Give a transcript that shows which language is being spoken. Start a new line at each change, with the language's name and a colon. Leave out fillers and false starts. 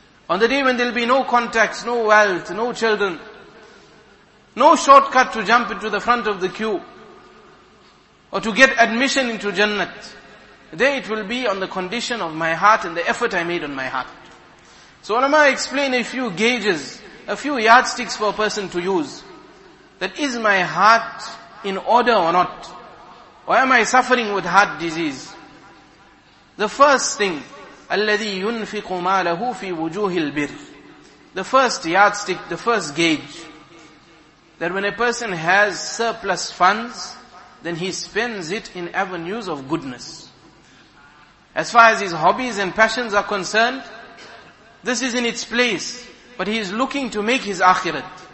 English: On the day when there will be no contacts, no wealth, no children, no shortcut to jump into the front of the queue, or to get admission into Jannat, there it will be on the condition of my heart and the effort I made on my heart. So ulama explain a few gauges, a few yardsticks for a person to use. That is my heart in order or not? Or am I suffering with heart disease? The first thing,
Arabic: الَّذِي يُنْفِقُ مَالَهُ فِي وُجُوهِ الْبِرِ.
English: The first yardstick, the first gauge, that when a person has surplus funds, then he spends it in avenues of goodness. As far as his hobbies and passions are concerned, this is in its place, but he is looking to make his akhirat.